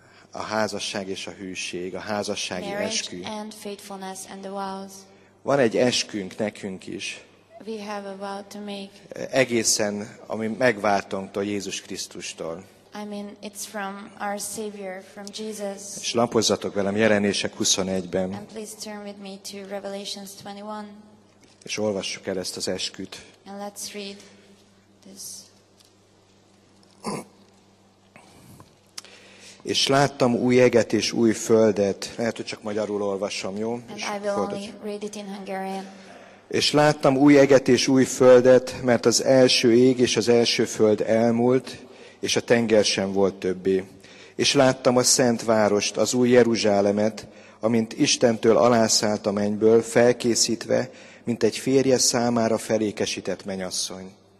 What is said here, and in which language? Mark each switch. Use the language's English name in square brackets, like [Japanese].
[Hungarian] A házasság és a hűség, a házassági [English] marriage [Hungarian] eskü. [English] And faithfulness and the vows. [Hungarian] Van egy eskünk nekünk is. [English] We have a vow to make. [Hungarian] Egészen, ami megváltunktól Jézus Krisztustól. [English] I mean, it's from our Savior, from Jesus. [Hungarian] És lapozzatok velem Jelenések 21-ben. [English] And please turn with me to Revelations 21. [Hungarian] És olvassuk el ezt az esküt. [English] And let's read this. [Hungarian] És láttam új eget és új földet. Lehet, hogy csak magyarul olvasom, jó? [English] And I will only read it in Hungarian. [Hungarian] És láttam új eget és új földet, mert az első ég és az első föld elmúlt, és a tenger sem volt többé. És láttam a szent várost, az új Jeruzsálemet, amint Istentől alászállt a mennyből, felkészítve, mint egy férje számára felékesített mennyasszony.